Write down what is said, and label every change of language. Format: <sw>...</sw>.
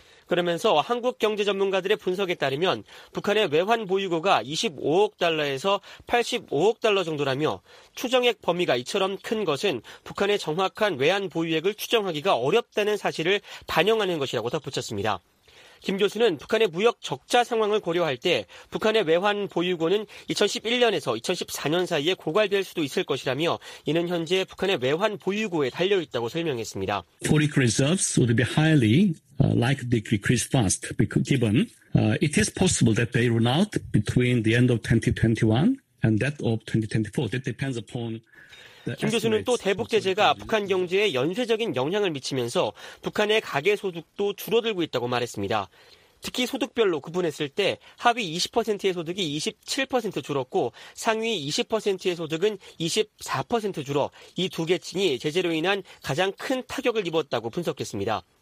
<ko>그러면서 한국 경제 전문가들의 분석에 따르면 북한의 외환 보유고가 25억 달러에서 85억 달러 정도라며 추정액 범위가 이처럼 큰 것은 북한의 정확한 외환 보유액을 추정하기가 어렵다는 사실을 반영하는 것이라고 덧붙였습니다. 김 교수는 북한의 무역 적자 상황을 고려할 때 북한의 외환 보유고는 2011년에서 2014년 사이에 고갈될 수도 있을 것이라며 이는 현재 북한의 외환 보유고에 달려 있다고 설명했습니다.</ko> <en>Foreign reserves would be highly likely to decrease fast because given it is possible that they run out between the end of 2021 and that of 2024. That depends upon.</en> <ko>김 교수는 또 대북 제재가 북한 경제에 연쇄적인 영향을 미치면서 북한의 가계 소득도 줄어들고 있다고 말했습니다. 특히 소득별로 구분했을 때 하위 20%의 소득이 27% 줄었고 상위 20%의 소득은 24% 줄어 이 두 계층이 제재로 인한 가장 큰 타격을 입었다고 분석했습니다.</ko>